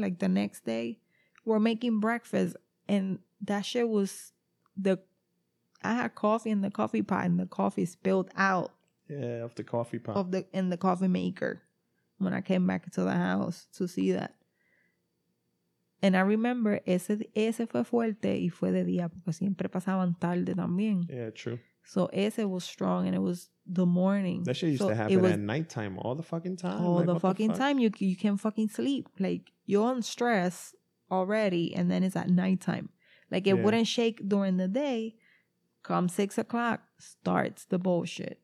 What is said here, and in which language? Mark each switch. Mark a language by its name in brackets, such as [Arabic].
[English] Like the next day, we're making breakfast. And that shit was I had coffee in the coffee pot, and the coffee spilled out. Yeah, of the coffee pot. In the coffee maker when I came back to the house to see that. And I remember, [Spanish] ese fue fuerte y fue de día, porque siempre pasaban tarde también. [English] Yeah, true. So ese was strong, and it was the morning. That shit used to happen at nighttime all the fucking time. All the fucking time. You can't fucking sleep. Like, you're on stress already, and then it's at nighttime. Like, it wouldn't shake during the day. Come 6 o'clock, starts the bullshit.